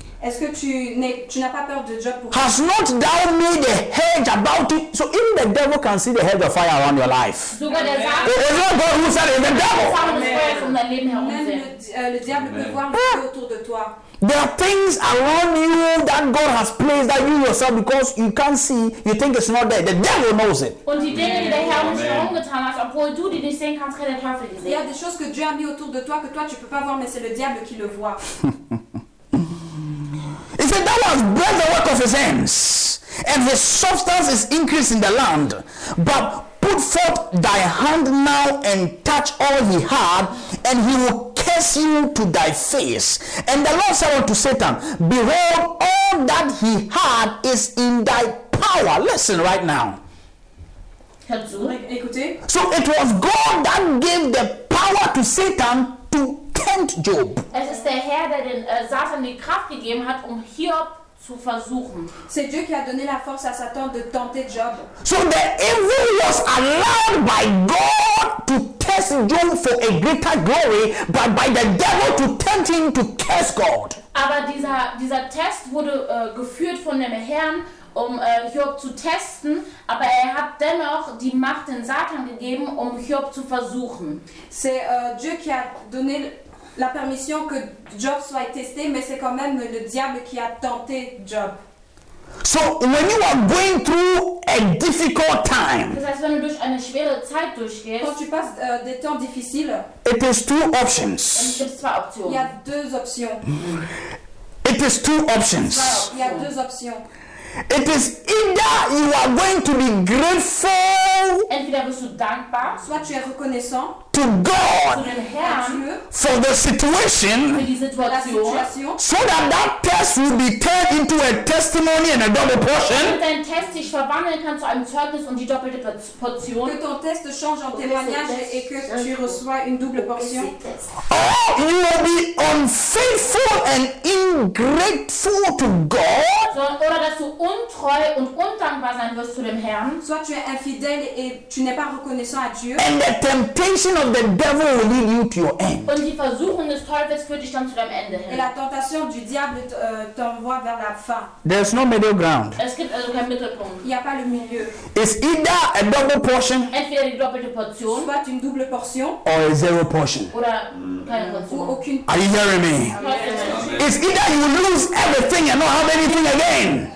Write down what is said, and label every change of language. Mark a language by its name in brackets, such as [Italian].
[French] Est-ce que tu n'as pas peur de Job pour? [English] Has not thou made a hedge about it? So even the devil can see the hedge of fire around your life. [German] Sogar der [English] Satan. Is not God who said it, the devil. [French] Le diable peut voir le feu autour de toi. [English] There are things around you that God has placed that you yourself, because you can't see, you think it's not there. The devil knows it. [German] Und die Dinge, die der Herr uns herumgetan hat, obwohl du die nicht sehen kannst, kann der Teufel die sehen. [French] Il y a des choses que Dieu a mis autour de toi que toi tu peux pas voir, mais c'est le diable qui le voit. [English] He said, thou hast bred the work of his hands, and his substance is increased in the land. But put forth thy hand now and touch all he had, and he will curse you to thy face. And the Lord said unto Satan, behold, all that he had is in thy power. Listen right now. So it was God that gave the power to Satan to tempt Job. [German] Es ist der Herr, der den Satan die Kraft gegeben hat, um Hiob zu versuchen. [French] C'est Dieu qui a donné la force à Satan de tenter Job. [English] So the evil was allowed by God to test Job for a greater glory, but by the devil to tempt him to curse God. [German] Aber dieser Test wurde geführt von dem Herrn, um Hiob zu testen, aber er hat dennoch die Macht den Satan gegeben, um Hiob zu versuchen. [French] C'est Dieu qui a donné la permission que Job soit testé, mais c'est quand même le diable qui a tenté Job. [English] So when you are going through a difficult time, [German] das heißt, wenn du durch eine schwere Zeit durchgehst, [French] quand tu passes des temps difficiles, [English] it is two options. [French] Il y a deux options. [English] It is two options. [French] Il y a deux options. [English] It is either you are going to be grateful, [German] entweder bist du dankbar, [French] soit tu es reconnaissant, [English] to God, [German] zu dem Herrn, [English] for the situation, [German] für die situation, [English] so that test will be turned into a testimony and a double portion, [German] damit dein Test dich verwandeln kann zu einem Zeugnis und die doppelte Portion, [French] que ton test change en témoignage et que tu reçois une double portion, [English] or you will be unfaithful and ungrateful to God, [German] oder dass du untreu und undankbar sein wirst zu dem Herrn, [French] soit tu es infidèle et tu n'es pas reconnaissant à Dieu, [English] and the temptation of temptation, the devil will lead you to your end. [German] Und die Versuchung des Teufels führt dich dann zu deinem Ende hin. [French] Et la tentation du diable t'envoie vers la fin. [English] There's no middle ground. [German] Es gibt also kein Mittelpunkt. [French] Il y a pas le milieu. [English] It's either a double portion. [German] Entweder [French] une double portion. Soit une double portion. [English] Or a zero portion. [German] Oder keine Portion. [French] Ou aucune. [English] Are you hearing me? It's either you lose everything and not have anything again.